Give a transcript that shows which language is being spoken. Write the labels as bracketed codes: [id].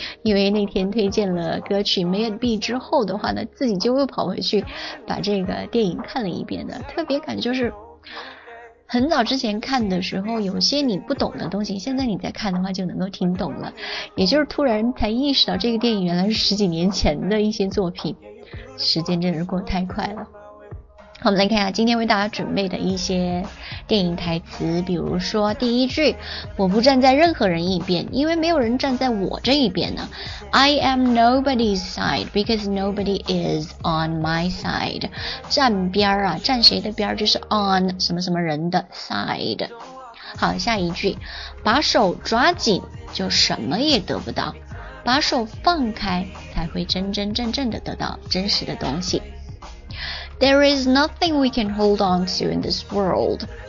[zh] 因为那天推荐了歌曲 May It Be 之后的话呢，自己就又跑回去把这个电影看了一遍的，特别感觉就是很早之前看的时候有些你不懂的东西，现在你在看的话就能够听懂了，也就是突然才意识到这个电影原来是十几年前的一些作品，时间真是过太快了。我们来看一下今天为大家准备的一些电影台词，比如说第一句，我不站在任何人一边，因为没有人站在我这一边呢。 [en] I am nobody's side because nobody is on my side. [zh] 站边啊，站谁的边就是 on 什么什么人的 side。好，下一句，把手抓紧，就什么也得不到。把手放开，才会真真正正的得到真实的东西。 [en] There is nothing we can hold on to in this world.